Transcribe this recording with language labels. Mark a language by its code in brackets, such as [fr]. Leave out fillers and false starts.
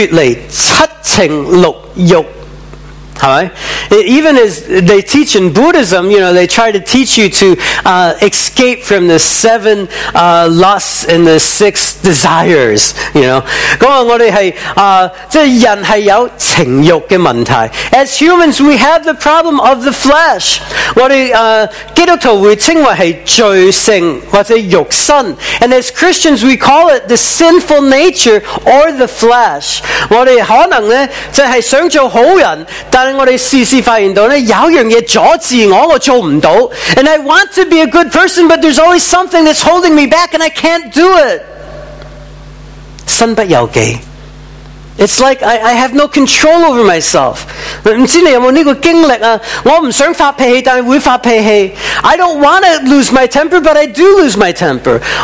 [zh] 但有一個問題呢,就佛教都會教我們,佛教呢就是時時說要脫離七情六欲。 [en] Right. Even as they teach in Buddhism, you know, they try to teach you to escape from the seven lusts and the six desires, you know. [zh] 我们是人是有情欲的问题. [en] As humans, we have the problem of the flesh. [zh] 我们基督徒会称为是罪性或者肉身. [en] And as Christians, we call it the sinful nature or the flesh. [zh] 我们可能呢,就是想做好人, 但我們試試發現到有一件事阻止我,我做不到. [en] And I want to be a good person, but there's always something that's holding me back and I can't do it. [zh] 身不由己. [en] It's like I have no control over myself. [zh] 不知道你有沒有這個經歷啊?我不想發脾氣,但會發脾氣. [en] I don't want to lose my temper, but I do lose my temper.